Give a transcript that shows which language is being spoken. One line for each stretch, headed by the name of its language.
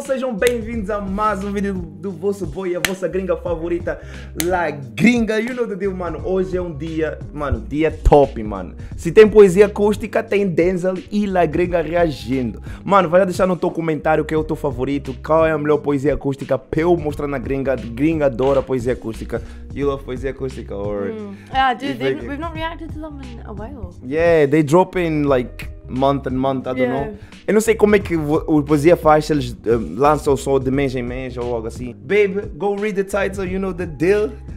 Portuguese: Sejam bem-vindos a mais um vídeo do vosso boy, a vossa gringa favorita, La Gringa.
English: You know the deal,
Portuguese: mano. Hoje é um dia, mano, dia top, mano. Se tem poesia acústica, tem Denzel e La Gringa reagindo. Mano, vai deixar no teu comentário quem é o teu favorito, qual é a melhor poesia acústica pra eu mostrar na gringa. Gringa adora poesia acústica.
English: You love
Portuguese: poesia acústica, or...
English: Yeah, dude, we've not reacted to them in a while. Yeah, they drop in, like... Month, I don't know.
Portuguese: Eu não sei como é que o poesia faz, eles lançam o som de mês em mês ou algo assim.
English: Babe, go read the title, you know the deal.